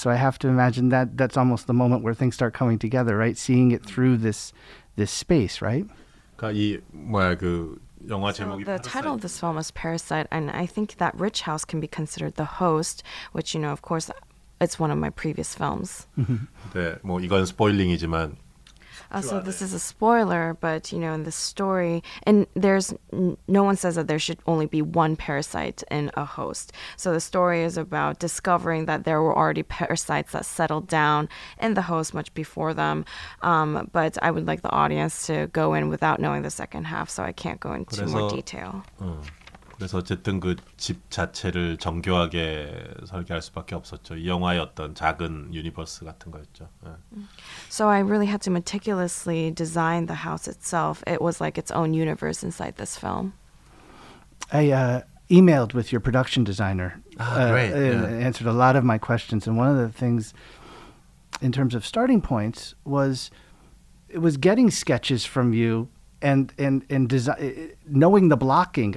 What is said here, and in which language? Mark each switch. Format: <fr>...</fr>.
<en>So I have to imagine that that's almost the moment where things start coming together, right? Seeing it through this space, right? So the title of this film is Parasite, and I think that rich house can be considered the host, which, of course, it's one of my previous films.</en> <ko>네, 뭐 이건 스포일링이지만</ko> <en>So this is a spoiler, but, in the story, and no one says that there should only be one parasite in a host. So the story is about discovering that there were already parasites that settled down in the host much before them. But I would like the audience to go in without knowing the second half, so I can't go into</en> <ko>그래서,</ko> <en>more detail.</en> <ko>그래서 어쨌든 그 집 자체를 정교하게 설계할 수밖에 없었죠. 이 영화의 어떤 작은 유니버스 같은 거였죠.</ko> <en>So I really had to meticulously design the house itself. It was like its own universe inside this film. I emailed with your production designer. Great. Answered a lot of my questions. And one of the things in terms of starting points was it was getting sketches from you and design, knowing the blocking.</en>